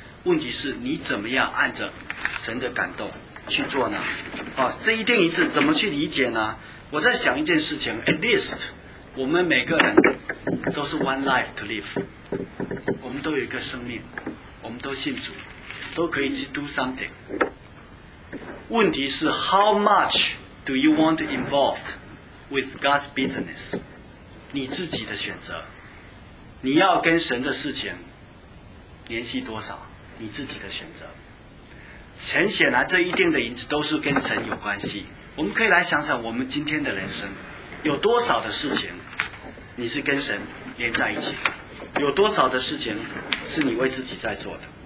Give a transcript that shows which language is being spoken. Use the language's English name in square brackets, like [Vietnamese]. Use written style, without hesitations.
[Chinese] 问题是你怎么样按着神的感动去做呢？啊，这一定一致怎么去理解呢？我在想一件事情 ， [English] at least [Chinese] 我们每个人都是 [English] one life to live， [Chinese] 我们都有一个生命，我们都信主，都可以去 [English] do something。 [Chinese] 问题是 [English] how much do you want to involved with God's business？ [Chinese] 你自己的选择，你要跟神的事情联系多少，你自己的选择。很显然，这一定的银子都是跟神有关系。我们可以来想想，我们今天的人生有多少的事情你是跟神连在一起的，有多少的事情是你为自己在做的。